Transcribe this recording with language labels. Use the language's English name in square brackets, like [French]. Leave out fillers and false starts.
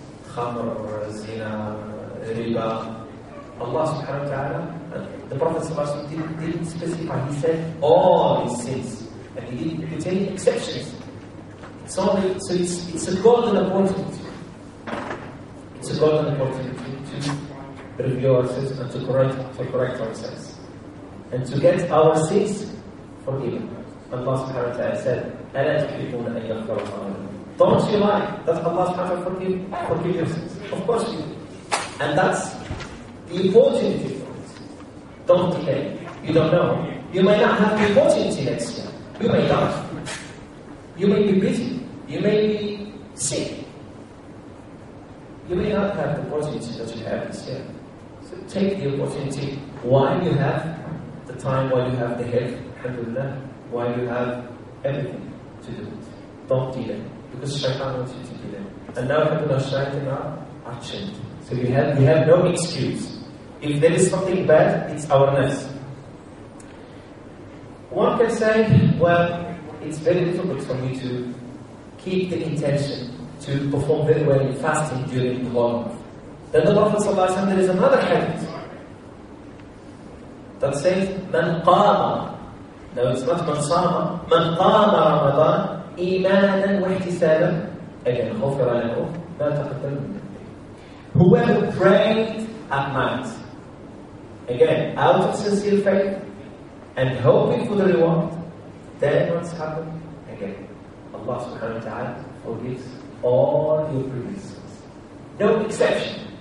[English] Khamr, zina, riba. Allah subhanahu wa ta'ala, the Prophet subhanahu wa ta'ala didn't specify, he said all his sins. And he didn't put any exceptions. So it's a golden opportunity. It's a golden opportunity to review ourselves and to correct ourselves. And to get our sins forgiven. Allah subhanahu wa ta'ala said, [Arabic] أَلَا تُحِبُونَ أَنْ يَغْفَرَ اللَّهُ لَكُمْ. [English] Don't you like that Allah subhanahu wa ta'ala forgive your sins? Of course you do. And that's the opportunity for it. Don't delay. You don't know. You may not have the opportunity next year. You may not. You may be busy. You may be sick. You may not have the opportunity that you have this year. So take the opportunity while you have the time, while you have the health, alhamdulillah, while you have everything to do it. Don't delay, because shaitan wants you to delay. And now alhamdulillah, shaitan are changed. So we have no excuse. If there is something bad, it's our nafs. One can say, well, it's very difficult for me to keep the intention to perform very well in fasting during the whole month. Then the Prophet صلى الله عليه وسلم, there is another hadith that says, [Arabic] مَنْ قَامَ. [English] Now it's not [Arabic] مَنْ صَامَ. مَنْ قَامَ رَمَضَانَ إِيمَانًا وَاحْتِسَابًا. [English] Again, [Arabic] غُفِرَ لَهُ مَا تَقَدَّمَ مِنْ ذَنْبِهِ. [English] Whoever prayed at night, again, out of sincere faith and hoping for the reward, then what's happened? Again, Allah subhanahu wa ta'ala forgives all your previous sins. No exception.